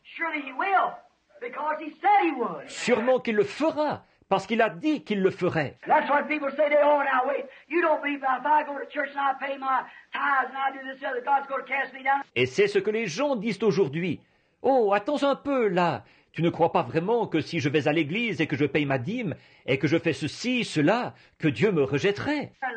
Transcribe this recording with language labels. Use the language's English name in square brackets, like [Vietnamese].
[English] Surely he will, because he said he would. [French] Sûrement qu'il le fera, parce qu'il a dit qu'il le ferait. [English] That's why people say, oh, now wait, you don't believe that if I go to church and I pay my tithes and I do this other, God's going to cast me down. [French] Et c'est ce que les gens disent aujourd'hui. Oh, attends un peu là. Tu ne crois pas vraiment que si je vais à l'église et que je paye ma dîme et que je fais ceci, cela, que Dieu me rejetterait?